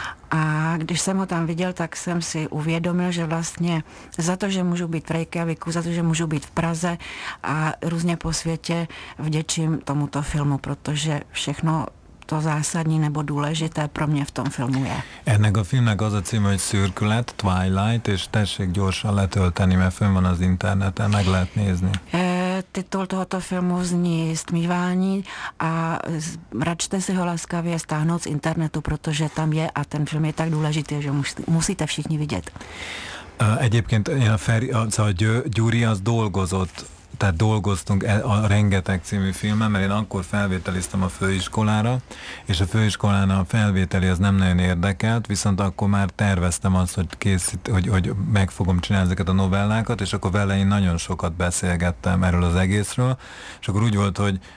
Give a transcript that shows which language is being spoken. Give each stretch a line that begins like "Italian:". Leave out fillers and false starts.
Czech: A když jsem ho tam viděl, tak jsem si uvědomil, že vlastně za to, že můžu být v Reykjaviku, za to, že můžu být v Praze a různě po světě vděčím tomuto filmu, protože všechno to zásadní nebo důležité pro mě v tom filmu je.
Hungarian: Ennek a filmnek az a címe, hogy Szürkület, Twilight, és tessék gyorsan letölteni, mert fönn van az interneten, meg lehet nézni.
Czech: Titul tohoto filmu zní Stmívání a račte si ho laskavě stáhnout z internetu, protože tam je a ten film je tak důležitý, že musíte všichni vidět.
Hungarian: Egyébként Gyuri az dolgozott, tehát dolgoztunk a Rengeteg című filmen, mert én akkor felvételiztem a főiskolára, és a főiskolán a felvételi az nem nagyon érdekelt, viszont akkor már terveztem azt, hogy meg fogom csinálni ezeket a novellákat, és akkor vele én nagyon sokat beszélgettem erről az egészről, és akkor úgy volt, hogy